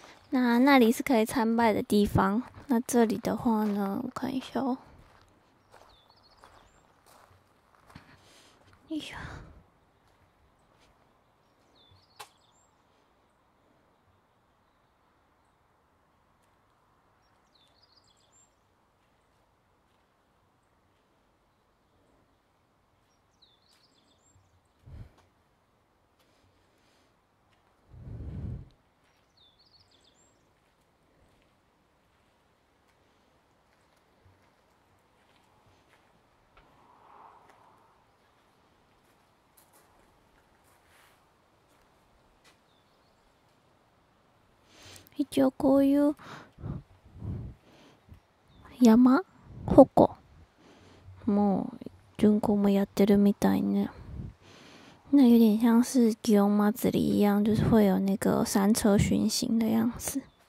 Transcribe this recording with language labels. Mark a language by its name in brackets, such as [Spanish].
[Chinese] 那那里是可以参拜的地方。那这里的话呢，我看一下哦。哎呀， [Japanese] 一応こういう山ほこもう巡行もやってるみたいね。 [Chinese] 那有点像是祇園祭り一样，就是会有那个山车巡行的样子。